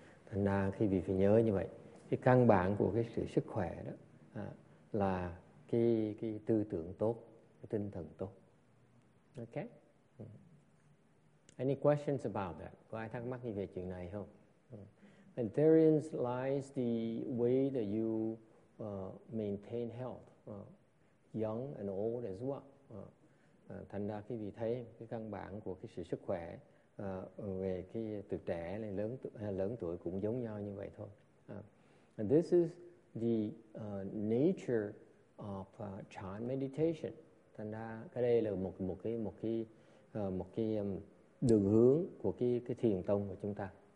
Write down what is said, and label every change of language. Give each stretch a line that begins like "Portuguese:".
Vietnamese: Thành ra khi vị phải nhớ như vậy, cái căn bản của cái sự sức khỏe đó là cái tư tưởng tốt, cái tinh thần tốt. Okay?
English: Any questions about that?
Vietnamese: Có ai thắc mắc gì về chuyện này không?
English: And therein lies the way that you maintain health, young and old as well.
Vietnamese: Thành ra khi vị thấy cái căn bản của cái sự sức khỏe về cái từ trẻ lên lớn lớn tuổi cũng giống nhau như vậy thôi.
English: And this is the nature of chan meditation.
Vietnamese: Thành ra cái đây là một cái đường hướng của cái thiền tông của chúng ta.